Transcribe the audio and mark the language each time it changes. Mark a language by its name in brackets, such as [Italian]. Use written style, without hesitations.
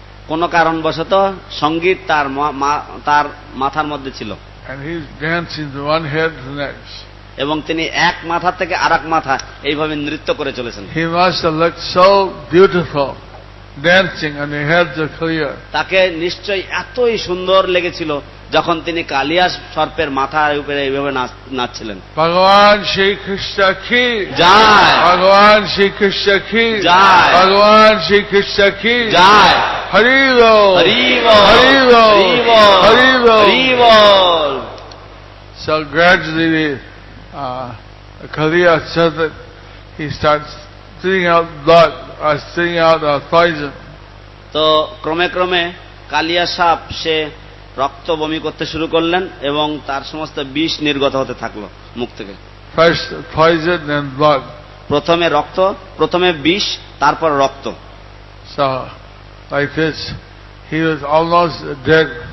[Bangla] কোন কারণবশত সঙ্গীত তার মাথার মধ্যে ছিল। [English] And he's dancing from one head to the next. [Bangla] এবং তিনি এক মাথা থেকে আরেক মাথা এইভাবে নৃত্য করে চলেছেন। [English] He must have looked so beautiful dancing on the heads of Kaliya. [Bangla] তাকে নিশ্চয়ই এতই সুন্দর লেগেছিল যখন তিনি কালিয়া সর্পের মাথার উপরে এইভাবে নাচছিলেন। ভগবান শ্রী কৃষ্ণ কি জয়, ভগবান শ্রী কৃষ্ণ কি জয়, ভগবান শ্রী কৃষ্ণ কি জয়, হরি বল হরি বল হরি বল হরি বল হরি বল হরি বল। [English] So gradually Kaliya said that he starts spitting out blood, spitting out poison. [Bangla] তো ক্রমে ক্রমে কালিয়া সাপ সে রক্ত বমি করতে শুরু করলেন এবং তার সমস্ত বিষ নির্গত হতে থাকল মুখ থেকে। [English] First poison then blood. [Bangla] প্রথমে রক্ত, প্রথমে বিষ, তারপর রক্ত। [English] So like this he was almost dead.